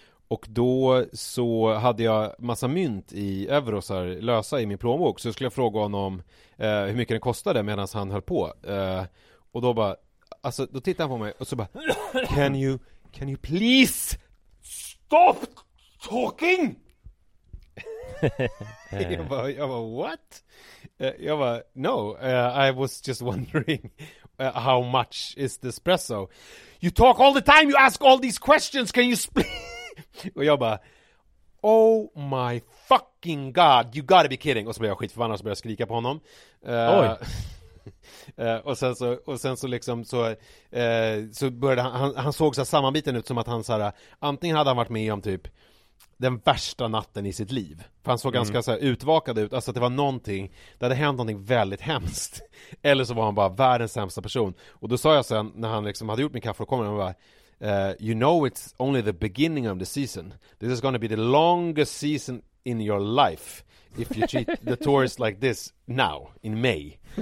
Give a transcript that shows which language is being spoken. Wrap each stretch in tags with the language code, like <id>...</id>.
<sv>Och då så hade jag massa mynt i euro så här, lösa i min plånbok. Så skulle jag fråga honom hur mycket den kostade medan han höll på. Och då bara, alltså då tittade han på mig och så bara,</sv> <en>can you please stop talking?</en> <sv>Jag bara,</sv> <en>what?</en> <sv>Jag bara,</sv> <en>no, I was just wondering how much is the espresso? You talk all the time, you ask all these questions, can you speak?</en> <sv>Och jag bara,</sv> <en>oh my fucking god, you gotta be kidding.</en> <sv>Och så blev jag skitförbannad och så började jag skrika på honom. Oj. Och sen så började han såg så här sammanbiten ut, som att han så här, antingen hade han varit med om typ den värsta natten i sitt liv. För han såg ganska så här utvakad ut. Alltså att det var någonting, det hade hänt någonting väldigt hemskt. Eller så var han bara världens sämsta person. Och då sa jag sen, när han liksom hade gjort min kaffe och kom, och bara,</sv> <en>you know it's only the beginning of the season. This is gonna be the longest season in your life if you cheat the tourist like this now, in May.</en>